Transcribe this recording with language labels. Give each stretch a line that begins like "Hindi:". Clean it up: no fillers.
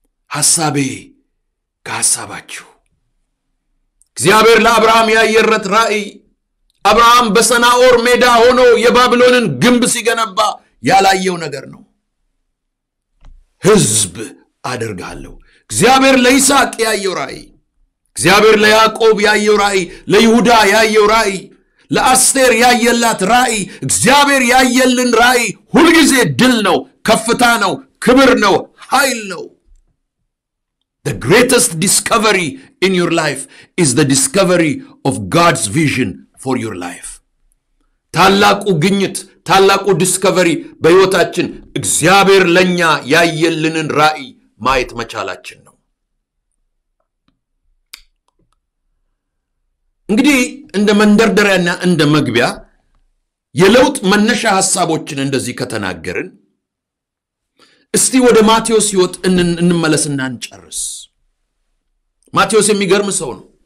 Amharic: ሐሳቤ ከሐሳባችሁ። እግዚአብሔር ለአብርሃም ያየለት ራእይ አብርሃም በሰናኦር ሜዳ ሆኖ የባቢሎንን ግንብ ሲገነባ ያላየው ነገር ነው። ህዝብ አድርጋለሁ። እግዚአብሔር ለይስሐቅ ያየው ራእይ፣ እግዚአብሔር ለያዕቆብ ያየው ራእይ፣ ለይሁዳ ያየው ራእይ፣ ለአስቴር ያየላት ራእይ፣ እግዚአብሔር ያየልን ራእይ ሁልጊዜ ድል ነው፣ ከፍታ ነው፣ ክብር ነው፣ ኃይል ነው።
English: The greatest discovery in your life is the discovery of God's vision for your life.
Amharic: ታላቁ ግኝት ታላቁ ዲስከቨሪ በህይወታችን እግዚአብሔር ለኛ ያየልንን ራእይ ማየት መቻላችን ነው። እንግዲህ እንደ መንደርደሪያና እንደ መግቢያ የለውጥ መነሻ ሐሳቦችን እንደዚህ ከተናገርን እስቲ ወደ ማቴዎስ ይወት እንመለስና እንጨርስ። ማቴዎስ የሚገርም ሰው ነው።